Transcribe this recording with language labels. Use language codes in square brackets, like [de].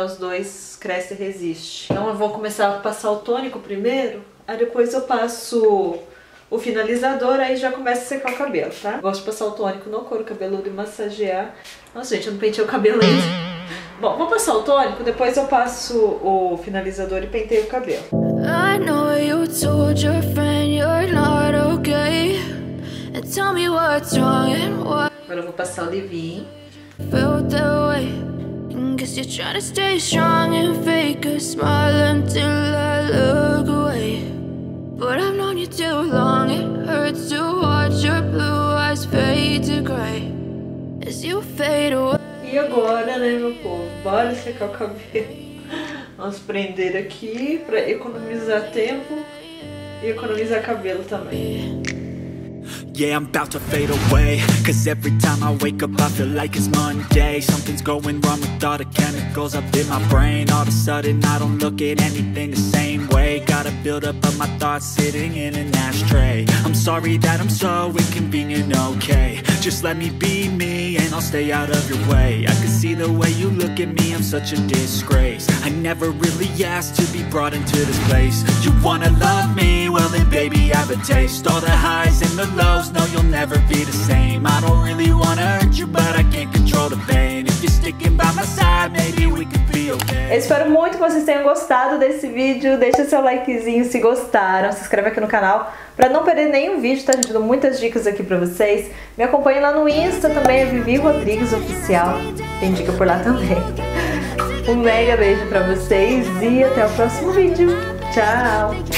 [pt] Os dois crescem e resistem. Então eu vou começar a passar o tônico primeiro, aí depois eu passo o finalizador, aí já começa a secar o cabelo, tá? Gosto de passar o tônico no couro cabeludo e massagear. Nossa, gente, eu não penteei o cabelo ainda. Bom, vou passar o tônico, depois eu passo o finalizador e penteio o cabelo. [en] I know you told your friend you're not okay. And tell me what's wrong and why. [pt] Agora eu vou passar o leave-in. [en] Felt that way. Guess you're trying to stay strong and fake a smile until I look away. But I've known you too long. It hurts to watch your blue eyes fade to gray. As you fade away. [pt] E agora, né, meu povo, bora secar o cabelo. Vamos prender aqui pra economizar tempo e economizar cabelo também. [en] Yeah, I'm about to fade away. Cause every time I wake up, I feel like it's Monday. Something's going wrong with all the chemicals up in my brain. All of a sudden, I don't look at anything the same way. Gotta build up of my thoughts sitting in an ashtray. I'm sorry that I'm so inconvenient, okay. Just let me be me and I'll stay out of your way. I can see the way you look at me, I'm such a disgrace. I never really asked to be brought into this place. You wanna love me? Well then baby, I have a taste. All the highs and the lows, no you'll never be the same. I don't really wanna hurt you, but I can't control the pain. If you're sticking by my side, maybe we could be okay. [pt] Espero muito que vocês tenham gostado desse vídeo. Deixa seu likezinho se gostaram. Se inscreve aqui no canal pra não perder nenhum vídeo, tá? A gente deu muitas dicas aqui pra vocês. Me acompanhe lá no Insta também, é Vivi Rodrigues Oficial. Tem dica por lá também. Um mega beijo pra vocês e até o próximo vídeo. Tchau!